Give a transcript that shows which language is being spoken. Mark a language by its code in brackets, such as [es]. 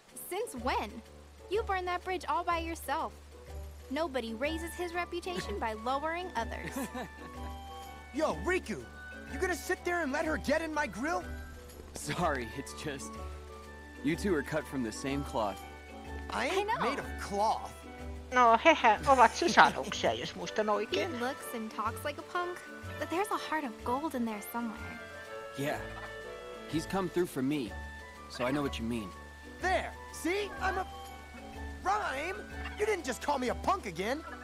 [en] Since when? You burned that bridge all by yourself. Nobody raises his reputation by lowering others. Yo, Riku! You gonna sit there and let her get in my grill? Sorry, it's just... You two are cut from the same cloth. I ain't made of cloth. [fi] No, hehe, ovat sisaruksia, jos muistan oikein. [en] He looks and talks like a punk, but there's a heart of gold in there somewhere. Yeah, he's come through for me, so I know what you mean. There, see, I'm a... Rhyme, you didn't just call me a punk again.